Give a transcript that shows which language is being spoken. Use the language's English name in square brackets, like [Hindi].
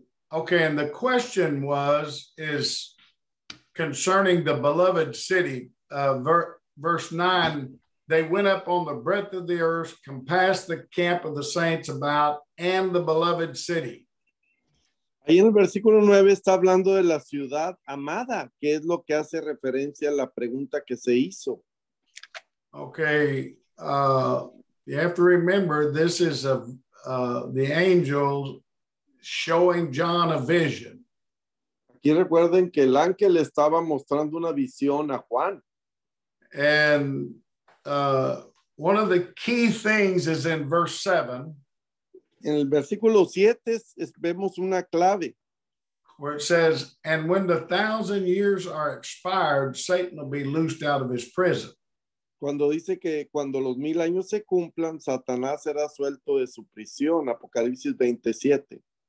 [English] Okay, and the question was, is concerning the beloved city, verse 9, they went up on the breadth of the earth, compassed the camp of the saints about, and the beloved city. [Spanish] Ahí en el versículo 9 está hablando de la ciudad amada, que es lo que hace referencia a la pregunta que se hizo. [English] Okay, you have to remember this is the angel showing John a vision. [Spanish] Aquí recuerden que el ángel estaba mostrando una visión a Juan. [English] And one of the key things is in verse 7. [Spanish] En el versículo 7 vemos una clave. [English] Where it says, and when the 1,000 years are expired, Satan will be loosed out of his prison. [Spanish] Cuando dice que cuando los 1,000 años se cumplan, Satanás será suelto de su prisión, Apocalipsis 27.